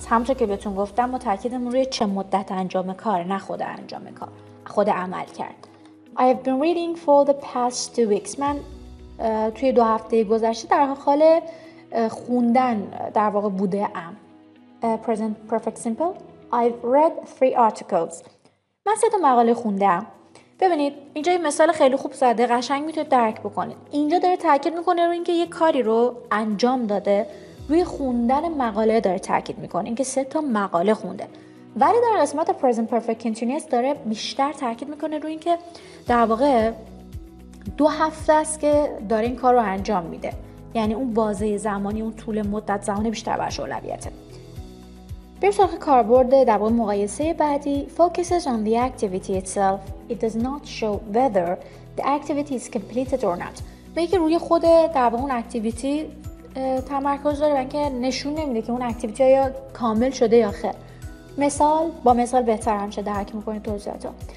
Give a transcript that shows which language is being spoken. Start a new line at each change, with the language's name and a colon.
Persian: همچنان که بهتون گفتم ما تأکیدمون روی چه مدت انجام کار، نه خود انجام کار، خود عمل کرد.
English: I have been reading for the past 2 weeks.
Persian: من توی 2 هفته گذشته در حال خوندن در واقع بوده ام.
English: Present perfect simple. I've read 3 articles.
Persian: من 3 مقاله خوندم. ببینید اینجا یه مثال خیلی خوب زده، قشنگ میتونید درک بکنید. اینجا داره تاکید میکنه روی اینکه یه کاری رو انجام داده، روی خوندن مقاله داره تاکید میکنه، اینکه 3 مقاله خونده. ولی در قسمت present perfect continuous داره بیشتر تاکید میکنه روی اینکه در واقع 2 هفته است که داره این کار رو انجام میده. یعنی اون بازه زمانی، اون طول مدت زمانی بیشتر برش اولویته. بریم سراغ کاربرد در باب مقایسه بعدی.
English: Focuses on the activity itself. It does not show whether the activity is completed or not.
Persian: میگه روی خود در باب اون اکتیویتی تمرکز داره و اینکه نشون نمیده که اون اکتیویتی یا کامل شده یا خیر. مثال با مثال بهتر همشه درک میکنید توضیحات.